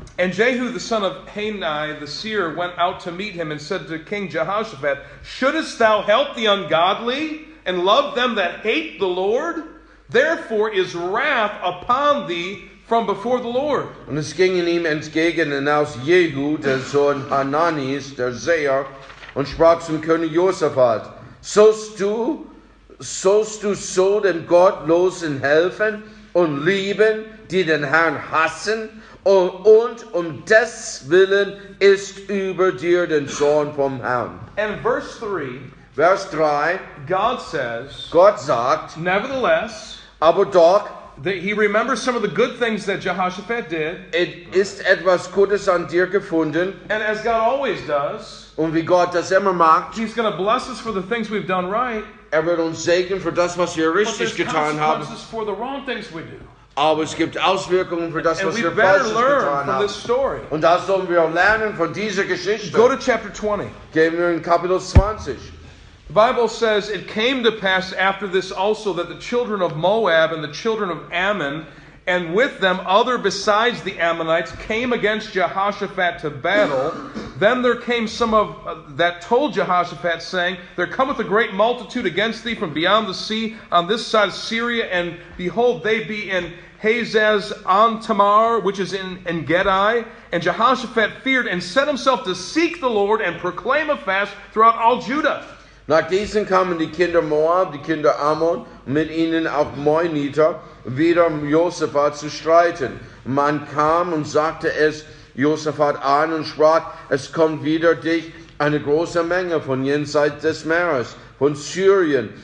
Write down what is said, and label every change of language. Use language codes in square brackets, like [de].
[en] And Jehu the son of Hanani the seer went out to meet him and said to King Jehoshaphat, shouldest thou help the ungodly and love them that hate the Lord? Therefore is wrath upon thee from before the Lord. [de] Und es ging in ihm entgegen und aus Jehu, der Sohn Hananis, der Seher, und sprach zum König Jehoshaphat, Sollst du so den Gottlosen helfen und lieben, die den Herrn hassen? Und um des Willen ist über dir den Zorn vom Herrn. [en] And verse 3. [de] Vers 3. [en] God says. [de] Gott sagt. [en] Nevertheless. [de] Aber doch. [en] That he remembers some of the good things that Jehoshaphat did. [de] Es ist etwas Gutes an dir gefunden. [en] And as God always does. [de] Und wie Gott das immer macht. [en] He's going to bless us for the things we've done right. [de] Er wird uns segnen für das, was wir richtig getan haben. [en] But there's consequences for the wrong things we do. [de] Aber es gibt Auswirkungen für das, [en] and [de] was wir [en] better [de] falsches [en] learn [de] getan [en] from this story. [de] Haben. Und das sollen wir lernen von dieser Geschichte. [en] Go to chapter 20. [de] Gehen wir in Kapitel 20. [en] The Bible says, it came to pass after this also that the children of Moab and the children of Ammon And with them, other besides the Ammonites came against Jehoshaphat to battle. Then there came some of that told Jehoshaphat, saying, "There cometh a great multitude against thee from beyond the sea on this side of Syria. And behold, they be in Hazaz on Tamar, which is in Engedi." And Jehoshaphat feared and set himself to seek the Lord and proclaim a fast throughout all Judah. [de] Nach diesen kamen die Kinder Moab, die Kinder Ammon, mit ihnen auf Moinita, wieder Josaphat zu streiten. Man kam und sagte es Josaphat an und sprach, es kommt wieder dich eine große Menge von jenseits des Meeres, von Syrien.